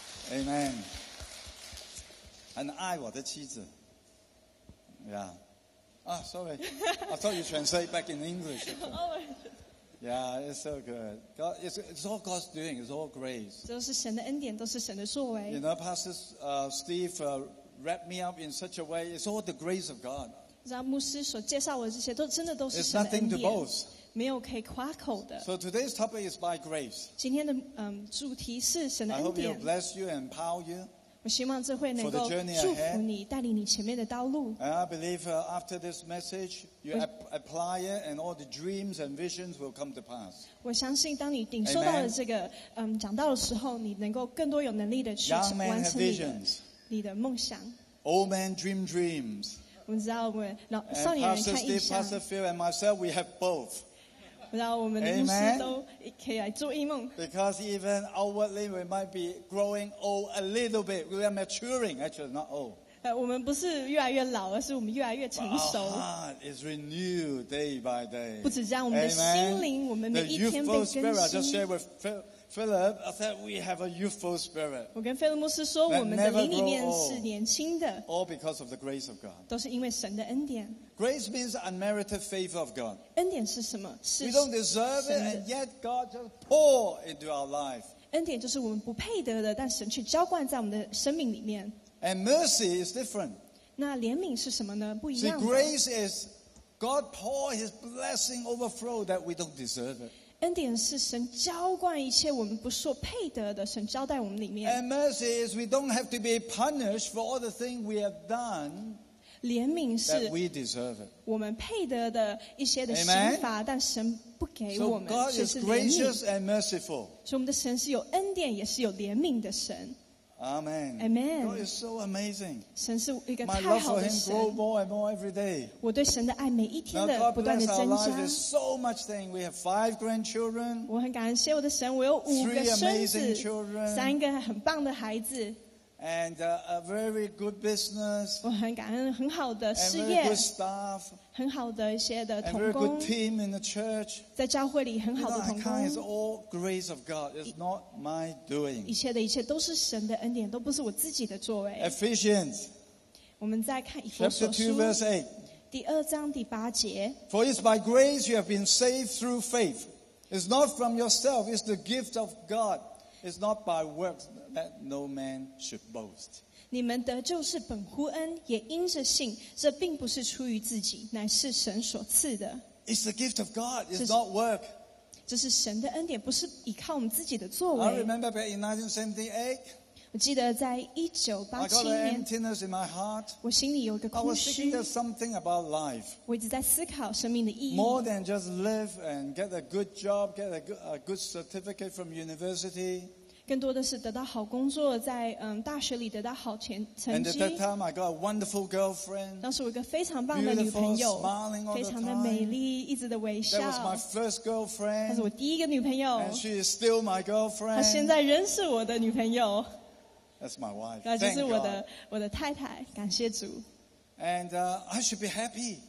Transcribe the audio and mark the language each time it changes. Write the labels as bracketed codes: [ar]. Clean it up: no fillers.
[zh] Amen， 很爱我的妻子呀。Yeah. [en] Sorry I thought you translate back in English. Yeah, it's so good. God, it's all God's doing. It's all grace. [zh] 都是神的恩典，都是神的作为。 [en] You know, Pastor Steve wrapped me up in such a way. It's all the grace of God. [zh] 让牧师所介绍我的这些，都真的都是神的恩典。 [en] It's nothing to boast. [zh] 没有可以夸口的。 [en] So today's topic is by grace. [zh] 今天的主题是神的恩典。 [en] I hope He'll bless you and empower you. [zh] 我希望这会能够祝福你，带领你前面的道路。 [en] And I believe after this message, you apply it, and all the dreams and visions will come to pass. [zh] 我相信当你领受到了这个讲道的时候，你能够更多有能力的去完成你的梦想。 [en] Old man dream dreams. [zh] 我们知道我们少年人看异象。 [en] Pastor Steve, Pastor Phil, and myself, we have both. [zh] 然后我们的牧师都可以来做异梦。 [en] Because even outwardly we might be growing old a little bit, we are maturing. Actually, not old. [zh] 我们不是越来越老，而是我们越来越成熟。 [en] Heart is renewed day by day. [zh] 不止这样，我们的心灵，我们每一天被更新。 [en] The youthful spirit. I just shared with Philip. I said we have a youthful spirit. [zh] 我跟菲利牧师说，我们的灵里面是年轻的。 [en] All because of the grace of God. [zh] 都是因为神的恩典。 [en] Grace means unmerited favor of God. [zh] 恩典是什么？是 [en] we don't deserve it, and yet God just pour into our life. [zh] 恩典就是我们不配得的，但神却浇灌在我们的生命里面。 [en] And mercy is different. [zh] 那怜悯是什么呢？不一样。 [en] See, grace is God pour His blessing overflow that we don't deserve it. [zh] 恩典是神浇灌一切我们不所配得的，神浇在我们里面。 [en] And mercy is we don't have to be punished for all the things we have done. [zh] 怜悯是我们配得的一些的刑罚，但神不给我们，却是怜悯。 [en] So God is gracious and merciful. [zh] 所以我们的神是有恩典，也是有怜悯的神。 [en] Amen. Amen. God is so amazing. [zh] 神是一个太好的神。 [en] My love for Him grows more and more every day. [zh] 我对神的爱每一天的不断的增加。 [en] Now God bless our lives. There's so much thing. We have 5 grandchildren. [zh] 我很感谢我的神，我有五个孙子。 [en] 3 amazing children. [zh] 三个很棒的孩子。 [en] And a very good business. [zh] 我很感恩很好的事业。 [en] And very good staff. [zh] 很好的一些的同工。 [en] And very good team in the church. [zh] 在教会里很好的同工。 [en] You know, I can't, it's all grace of God. It's not my doing. [zh] 一切的一切都是神的恩典，都不是我自己的作为。 [en] Ephesians. [zh] 我们再看以弗所书。 [en] Chapter 2 verse 8. [zh] 第二章第八节。 [en] For it's by grace you have been saved through faith. It's not from yourself, it's the gift of God. It's not by works. That no man should boast. [zh] 你们得救是本乎恩，也因着信。这并不是出于自己，乃是神所赐的。 [en] It's the gift of God. It's not work. [zh] 这是神的恩典，不是依靠我们自己的作为。 [en] I remember back in 1978. [zh] 我记得在1987年。 [en] I got an emptiness in my heart. [zh] 我心里有一个空虚。 [en] I was thinking of something about life. [zh] 我一直在思考生命的意义。 [en] More than just live and get a good job, get a good certificate from university. [zh] 更多的是得到好工作，在大学里得到好成绩。 [en] And at that time, I got a wonderful girlfriend. [zh] 当时我一个非常棒的女朋友， [en] beautiful, smiling all the time. [zh] 非常的美丽，一直的微笑。 [en] That was my first girlfriend. [zh] 她是我第一个女朋友。 [en] And she is still my girlfriend. [zh] 她现在仍是我的女朋友。 [en] That's my wife. [zh] 那就是我的太太，感谢主。 [en] And I should be happy.